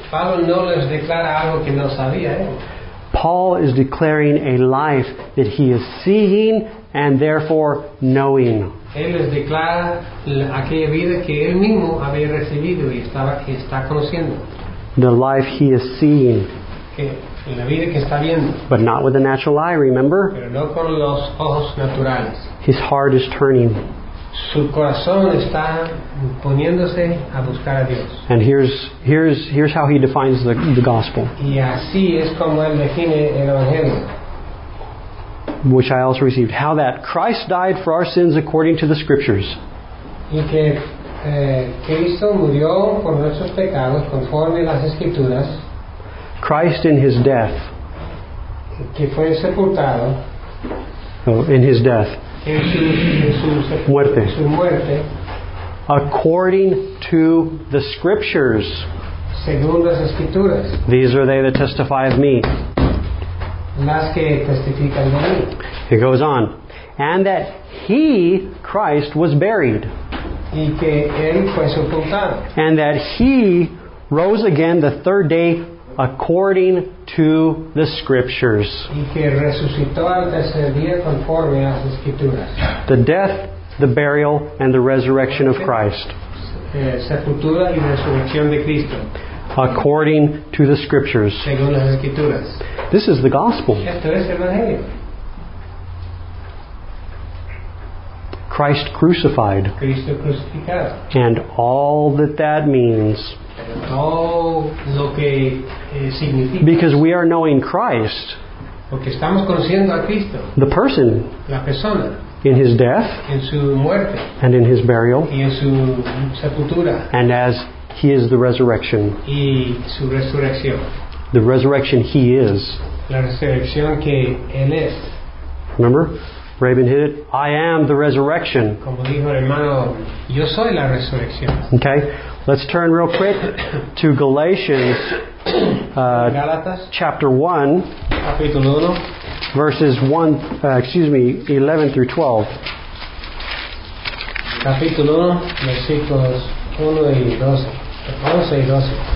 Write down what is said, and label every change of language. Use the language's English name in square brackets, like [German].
[Spanish] Pablo no les declara algo que no sabía. [English] Paul is declaring a life that he is seeing and therefore knowing. [Spanish] Él les declara aquella vida que él mismo había recibido y está conociendo. [English] The life he is seeing. [Spanish] La vida que está viendo. [English] But not with the natural eye, remember? [Spanish] Pero no con los ojos naturales. [English] His heart is turning. [Spanish] Su corazón está poniéndose a buscar a Dios. [English] And here's how he defines the gospel. [Spanish] Y así es como él define el evangelio. [English] Which I also received. How that Christ died for our sins according to the Scriptures. [Spanish] Y que Cristo murió por nuestros pecados conforme las Escrituras. [English] Christ in his death. [Spanish] Que fue sepultado. [English] In his death. [Spanish] En su muerte. [English] According to the Scriptures. [Spanish] Según las Escrituras. [English] These are they that testify of me. [Spanish] Las que testifican de mí. [English] It goes on. And that he, Christ, was buried. [Spanish] Y que él fue sepultado. [English] And that he rose again the third day according to the Scriptures. [Spanish] Y que resucitó al tercer día conforme a las Escrituras. [English] The death, the burial, and the resurrection of Christ. [Spanish] Sepultura y resurrección de Cristo. [English] According to the Scriptures. [Spanish] Según las Escrituras. [English] This is the gospel. [Spanish] Esto es el Evangelio. [English] Christ crucified. [Spanish] Cristo crucificado. [English] And all that means. [Spanish] Lo que significa. [English] Because we are knowing Christ. [Spanish] Porque estamos conociendo a Cristo. [English] The person. [Spanish] La persona. [English] In his death. [Spanish] En su muerte. [English] And in his burial. [Spanish] Y en su sepultura. [English] And as he is the resurrection. [Spanish] Y su resurrección. [English] The resurrection he is. [Spanish] La resurrección que él es. [English] Remember? Rabin hit it. I am the resurrection. [Spanish] Como dijo el hermano, yo soy la resurrección. [English] Okay. Let's turn real quick to Galatians [Spanish] Galatas, [English] chapter 1, [Spanish] capítulo 1, [English] verses 11 through 12. [Spanish] Capítulo 1, versículos 11 y 12.